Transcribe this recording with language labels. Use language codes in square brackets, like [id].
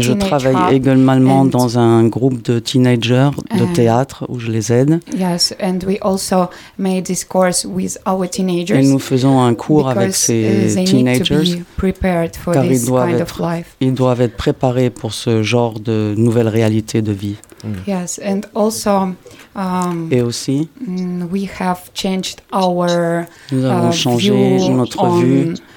[fr] je travaille également dans un groupe de teenagers de théâtre où je les aide. [en] Yes, and we also made this course with our teenagers. [fr] Et nous faisons un cours avec ces teenagers car ils doivent être préparés pour ce genre de nouvelle réalité de vie. [en] Yes, and also. [fr] Et aussi. [en] We have changed our. [fr] Nous avons changé notre vue.